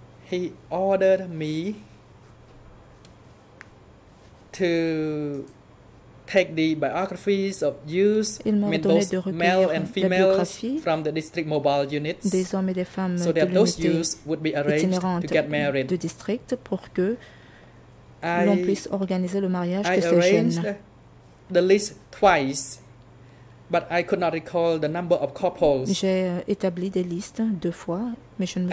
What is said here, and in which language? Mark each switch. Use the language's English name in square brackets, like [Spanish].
[English] He ordered me to take the biographies of youth, male and females from the district mobile units [French] des hommes et des femmes [English] so that those youth would be arranged to get married. [French] De district pour que l'on puisse organiser le mariage [English] I arranged the list twice, but I could not recall the number of couples. [French] J'ai établi des listes deux fois, mais je ne me